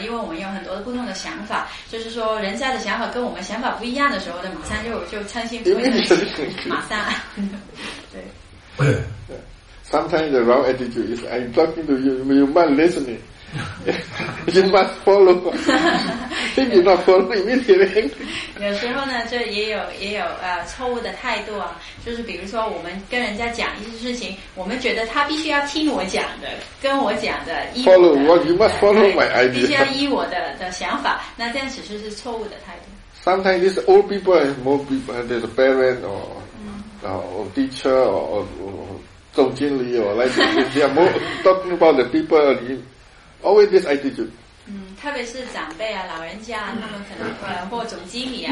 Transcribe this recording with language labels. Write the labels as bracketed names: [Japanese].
[Chinese] 因为我们有很多不同的想法，就是说人家的想法跟我们想法不一样的时候呢，马上就嗔心不会升起，马上对。 [English] Sometimes the wrong attitude is I'm talking to you, you must listening, you must follow. If you not follow, immediately. [Chinese] 有时候呢，就也有错误的态度啊，就是比如说我们跟人家讲一些事情，我们觉得他必须要听我讲的，跟我讲的依我的 [English] follow what you must follow my idea. [Chinese] 必须要依我的想法，那这样其实是错误的态度。 [English] Sometimes these old people and more people, there's a parent or. Or teacher or [Chinese] 总经理 [English] or like they are more talking about the people always this attitude. [Chinese] 特别是长辈啊老人家他们可能或总经理啊